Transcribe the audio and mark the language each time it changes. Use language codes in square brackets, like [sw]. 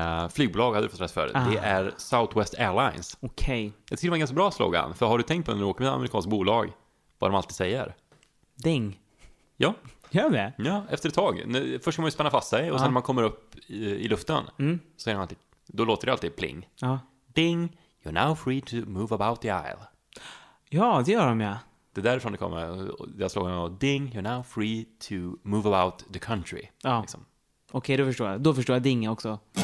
[sv] Flygbolag hade du fått rätt för. Aha. Det är Southwest Airlines. Okej. Okay. Det tycker jag en ganska bra slogan. För har du tänkt på när du åker med ett amerikanskt bolag, vad de alltid säger? Ding. Ja. Gör det? Ja, efter ett tag. Först ska man ju spänna fast sig och sen när man kommer upp i luften så är det alltid, då låter det alltid pling. Ja. [en] Ding, you're now free to move about the aisle. [sv] Ja, det gör de, ja. Det är därifrån det kommer. Jag slår mig, [en] ding, you're now free to move about the country. [sv] Ja. Liksom. Okej, okay, då förstår jag. Då förstår jag ding också.